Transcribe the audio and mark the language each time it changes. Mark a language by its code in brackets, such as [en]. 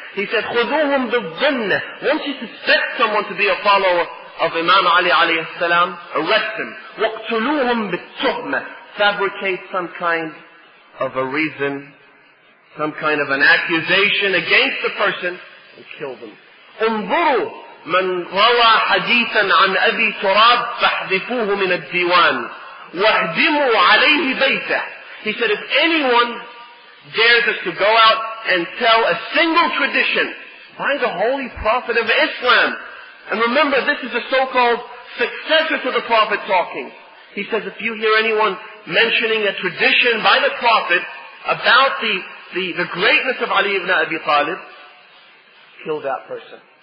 [en] He said, [ar] "Khuduhum bi-dhinnah." [en] Once you suspect someone to be a follower of Imam Ali alayhi salam, arrest him. [ar] "Waqtuluhum bi-tuhmah." [en] Fabricate some kind of a reason, some kind of an accusation against the person, and kill them. [ar] "Unzuru من روى حديثا عن أبي تراب فاحذفوه من الديوان واهدموا عليه بيته." [en] He said, if anyone dares us to go out and tell a single tradition by the Holy Prophet of Islam, and remember this is a so-called successor to the Prophet talking, he says, if you hear anyone mentioning a tradition by the Prophet about the greatness of Ali ibn Abi Talib, kill that person.